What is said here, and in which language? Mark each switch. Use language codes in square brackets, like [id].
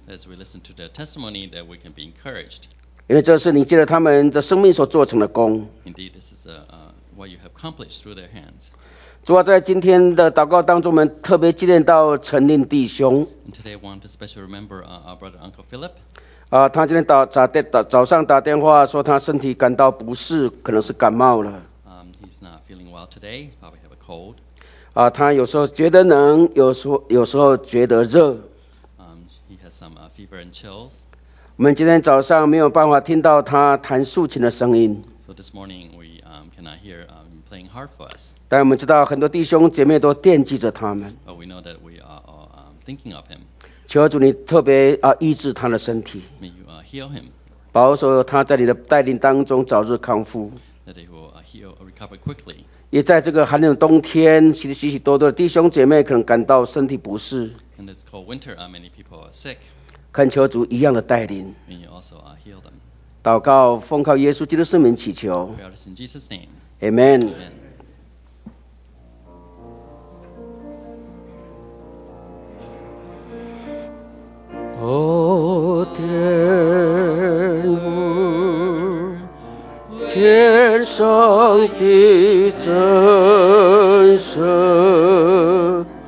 [en] As we listen to their testimony, that we can be encouraged. [zh] 因为这是你借着他们的生命所做成的功。 [en] Indeed, this is what you have accomplished through their hands. [zh] 主啊，在今天的祷告当中，我们特别纪念到陈令弟兄。 [en] And today, I want to specially remember our brother Uncle Philip. [zh] 他今天早上打电话说他身体感到不适，可能是感冒了。 [en] He's not feeling well today. Probably have a cold. [zh] 他有时候觉得冷，有时候觉得热。 [en] He has some fever and chills. [zh] 我们今天早上没有办法听到他弹竖琴的声音。 [en] So this morning we cannot hear him playing harp for us. [zh] 但我们知道很多弟兄姐妹都惦记着他们。 [en] But we know that we are all thinking of him. [zh] 求主你特别医治他的身体， [en] May you, heal him. [zh] 保守他在你的带领当中早日康复。 [en] That he will heal or recover quickly. [zh] 也在这个寒冷冬天，许许多多的弟兄姐妹可能感到身体不适。 [en] And it's cold winter, and many people are sick. [zh] 恳求主一样的带领。 [en] And you also heal them. [zh] 祷告，奉靠耶稣基督圣名祈求。 [en] We ask in Jesus' name. Amen. Amen. [zh] 오天父天上的真神